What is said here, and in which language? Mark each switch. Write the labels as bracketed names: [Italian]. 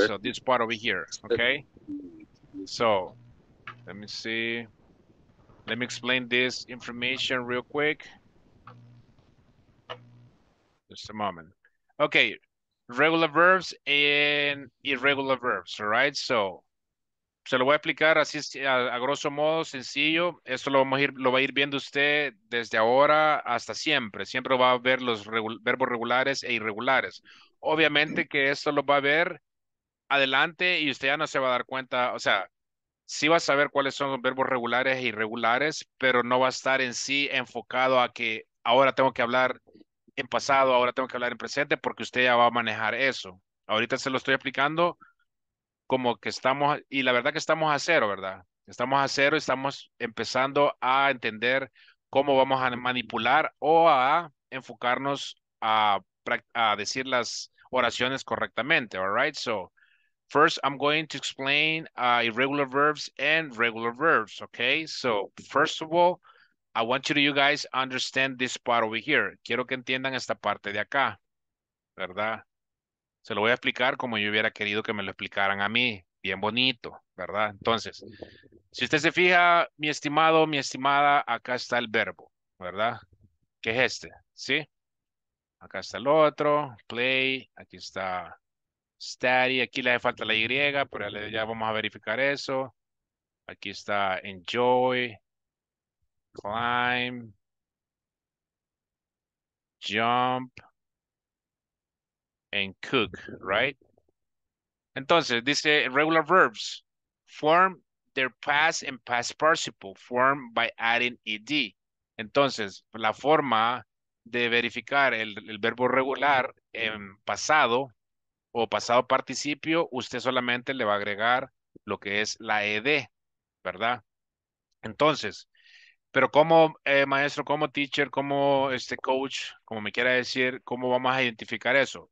[English] So this part over here, okay? So let me see. Let me explain this information real quick. Just a moment. Okay, regular verbs and irregular verbs, all right? [Spanish] So se lo voy a explicar así a grosso modo, sencillo. Esto lo va a ir viendo usted desde ahora hasta siempre. Siempre va a ver los verbos regulares e irregulares. Obviamente que esto lo va a ver adelante y usted ya no se va a dar cuenta. O sea, sí va a saber cuáles son los verbos regulares e irregulares, pero no va a estar en sí enfocado a que ahora tengo que hablar en pasado, ahora tengo que hablar en presente porque usted ya va a manejar eso. Ahorita se lo estoy explicando como que estamos, y la verdad que estamos a cero, ¿verdad? Estamos a cero, estamos empezando a entender cómo vamos a manipular o a enfocarnos a decir las oraciones correctamente, [English] all right? So, first I'm going to explain irregular verbs and regular verbs, okay? So, first of all, I want you guys to understand this part over here. [Spanish] Quiero que entiendan esta parte de acá, ¿verdad? Se lo voy a explicar como yo hubiera querido que me lo explicaran a mí. Bien bonito, ¿verdad? Entonces, si usted se fija, mi estimado, mi estimada, acá está el verbo, ¿verdad? ¿Qué es este? ¿Sí? Acá está el otro, play, aquí está study, aquí le hace falta la Y, pero ya vamos a verificar eso. Aquí está enjoy, climb, jump, [English] and cook, right? [Spanish] Entonces, dice [English] regular verbs form their past and past participle form by adding ed. [Spanish] Entonces, la forma de verificar el verbo regular en pasado o pasado participio, usted solamente le va a agregar lo que es la ed, ¿verdad? Entonces, pero como maestro, como teacher, como este coach, como me quiera decir, ¿cómo vamos a identificar eso?